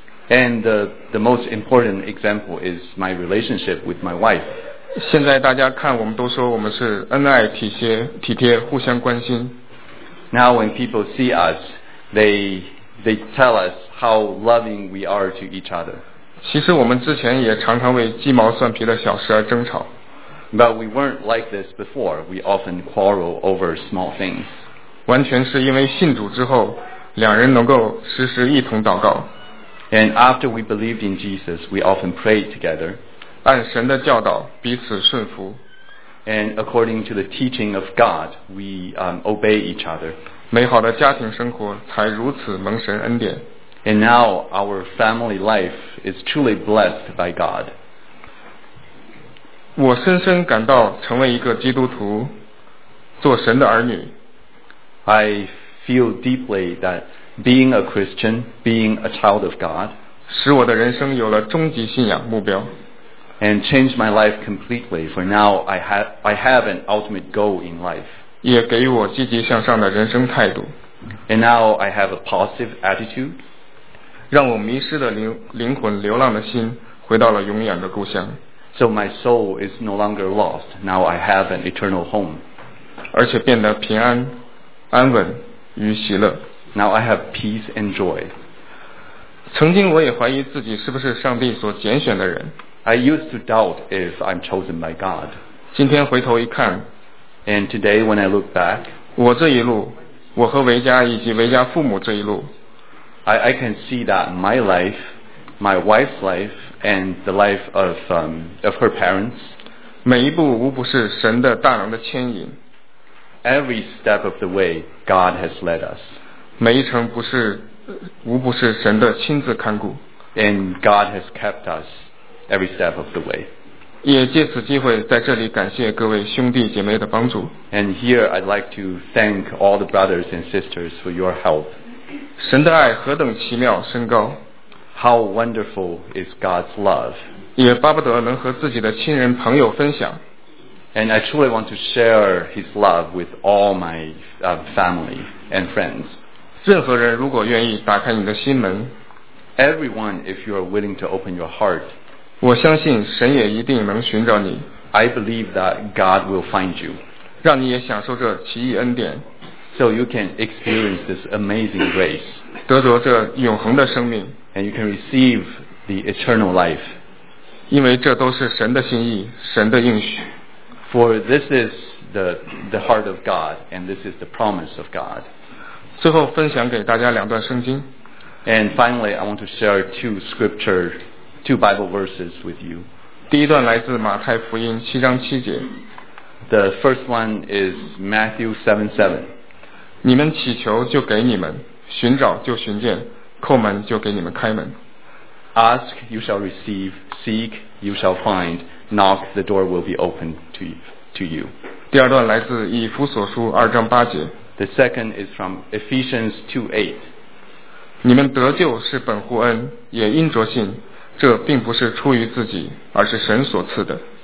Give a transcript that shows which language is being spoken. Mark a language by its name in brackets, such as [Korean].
[English] And the most important example is my relationship with my wife. [Chinese] 现在大家看，我们都说我们是恩爱、体贴、体贴、互相关心。 [English] Now when people see us, they tell us how loving we are to each other. [Chinese] 其实我们之前也常常为鸡毛蒜皮的小事而争吵。 [English] But we weren't like this before. We often quarrel over small things. [Chinese] 完全是因为信主之后，两人能够时时一同祷告。 [English] And after we believed in Jesus, we often prayed together. [Chinese] 按神的教导，彼此顺服。 [English] And according to the teaching of God, we obey each other. [Chinese] 美好的家庭生活才如此蒙神恩典。 [English] And now our family life is truly blessed by God. [Chinese] 我深深感到成为一个基督徒，做神的儿女。 [English] I feel deeply that being a Christian, being a child of God, [Chinese] 使我的人生有了终极信仰目标。 [English] And changed my life completely. For now, I have an ultimate goal in life. [Chinese] 也给予我积极向上的人生态度。 [English] And now I have a positive attitude. [Chinese] 让我迷失的灵魂、流浪的心回到了永远的故乡。 [English] So my soul is no longer lost. Now I have an eternal home. [Chinese] 而且变得平安、安稳与喜乐。 [English] Now I have peace and joy. [Chinese] 曾经我也怀疑自己是不是上帝所拣选的人。 [English] I used to doubt if I'm chosen by God. [Chinese] 今天回头一看， [English] And today when I look back, [Chinese] 我这一路，我和维嘉以及维嘉父母这一路， [English] I can see that my life, my wife's life, and the life of her parents, [Chinese] 每一步无不是神的大能的牵引。 [English] Every step of the way, God has led us. [Chinese] 每一程不是，无不是神的亲自看顾。 [English] And God has kept us. Every step of the way. [Chinese] 也借此机会在这里感谢各位兄弟姐妹的帮助。 [English] And here I'd like to thank all the brothers and sisters for your help. [Chinese] 神的爱何等奇妙深高。 [English] How wonderful is God's love. [Chinese] 也巴不得能和自己的亲人朋友分享。 [English] And I truly want to share his love with all my family and friends. [Chinese] 任何人如果愿意打开你的心门， [English] Everyone, if you are willing to open your heart, [Chinese] 我相信神也一定能寻找你。 [English] I believe that God will find you. [Chinese] 让你也享受这奇异恩典。 [English] So you can experience this amazing grace. [Chinese] 得着这永恒的生命。 [English] And you can receive the eternal life. [Chinese] 因为这都是神的心意，神的应许。 [English] For this is the heart of God, and this is the promise of God. [Chinese] 最后分享给大家两段圣经。 [English] And finally, I want to share two scriptures. Two Bible verses with you. [Chinese] 第一段来自马太福音七章七节。 [English] The first one is Matthew 7:7. [Chinese] 你们祈求就给你们，寻找就寻见，叩门就给你们开门。 [English] Ask, you shall receive; seek, you shall find; knock, the door will be opened to you. [Chinese] 第二段来自以弗所书二章八节。 [English] The second is from Ephesians 2:8. [Chinese] 你们得救是本乎恩，也因着信。这并不是出于自己，而是神所赐的。